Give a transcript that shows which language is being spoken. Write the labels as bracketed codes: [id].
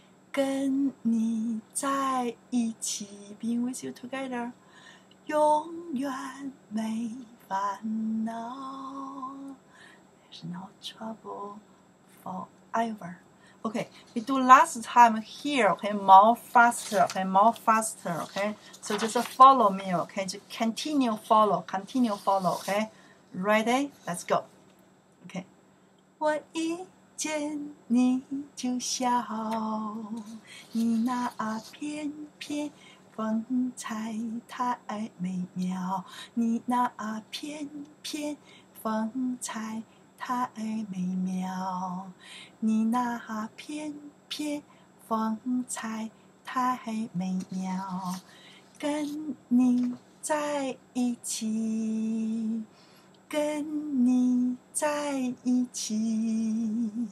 [zh] 跟你在一起， [en] being with you together， [zh] 永远没烦恼。 [en] There's no trouble forever. Okay, we do last time here. Okay, more faster. Okay, more faster. Okay, so just follow me. Okay, just continue follow. Continue follow. Okay, ready? Let's go. [zh] Okay, 我一见你就笑，你那翩翩风采太美妙，你那翩翩风采太美妙，你那翩翩风采太美妙，跟你在一起，跟你在一起，